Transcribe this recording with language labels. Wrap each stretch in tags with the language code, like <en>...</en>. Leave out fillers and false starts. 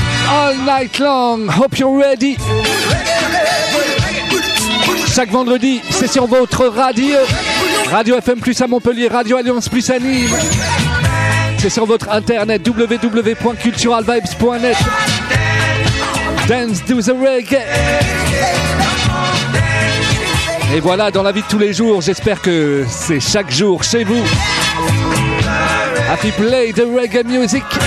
<en>All night long, hope you're ready.</en> <fr>Chaque vendredi, c'est sur votre radio. Radio FM plus à Montpellier, Radio Alliance plus à Nîmes. C'est sur votre internet www.culturalvibes.net.</fr> <en>Dance to the reggae.</en> <fr>Et voilà, dans la vie de tous les jours, j'espère que c'est chaque jour chez vous.</fr> <en>Happy play the reggae music.</en>